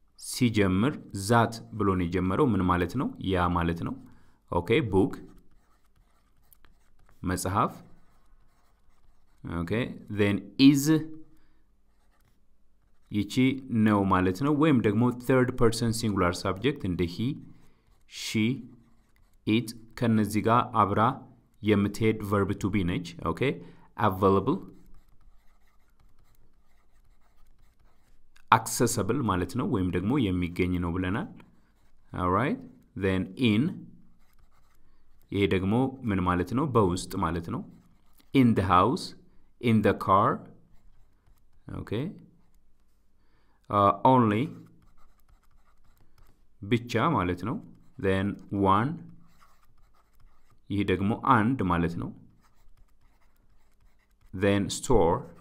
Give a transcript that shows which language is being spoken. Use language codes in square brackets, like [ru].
[am] ሲጀምር ዛት ብሎ ነው የጀመረው። ምን ማለት ነው? ያ ማለት ነው። ኦኬ፣ ቡክ መጽሐፍ። ኦኬ፣ ዘን ኢዝ ይቺ ነው ማለት ነው። ወይም ደግሞ ተርድ ፐርሰን ሲንጉላር ሳብጀክት እንደ ሂ፣ ሺ፣ ኢት ከነዚህ ጋር አብራ የምትሄድ ቨርብ ቱ ቢ ነች። ኦኬ፣ አቬለብል accessible ማለት ነው ወይም ደግሞ የሚገኝ ነው ብለናል። [en] All right, then in [am] ይሄ ደግሞ ምን ማለት ነው? በውስጥ ማለት ነው። [en] In the house, in the car. [am] Okay, only ብቻ ማለት ነው። [en] Then one [am] ይሄ ደግሞ አንድ ማለት ነው። [en] Then store